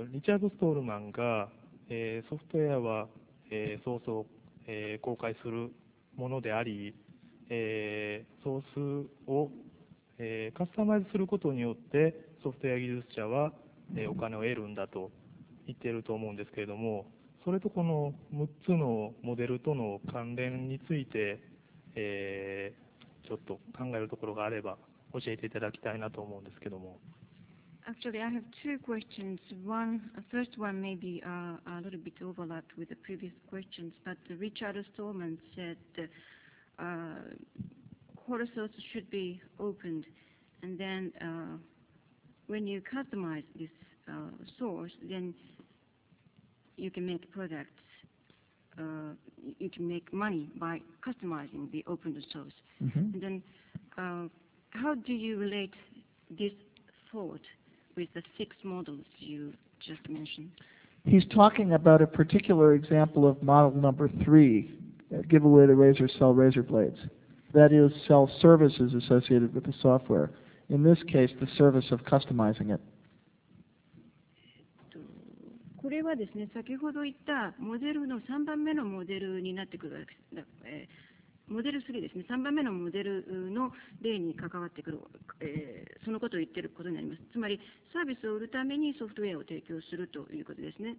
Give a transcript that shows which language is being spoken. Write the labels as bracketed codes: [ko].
[ja] ャード・ストールマンが、ソフトウェアは、早々、公開するものであり、ソースを、カスタマイズすることによってソフトウェア技術者は、お金を得るんだと言っていると思うんですけれども、それとこの6つのモデルとの関連について、ちょっと考えるところがあれば教えていただきたいなと思うんですけども。 [en] Actually, I have two questions. The first one may be a little bit overlapped with the previous questions, but Richard Stallman said core source should be opened, and then when you customize this source, then you can make products, you can make money by customizing the open source. Mm-hmm. And then how do you relate this thought with the six models you just mentioned? He's talking about a particular example of model number three, give away the razor, sell razor blades. That is, sell services associated with the software. In this case, the service of customizing it. [ja] これはですね、先ほど言ったモデルの3番目のモデルになってくるわけです。モデル3ですね、3番目のモデルの例に関わってくる、そのことを言っていることになります。つまり、サービスを売るためにソフトウェアを提供するということですね。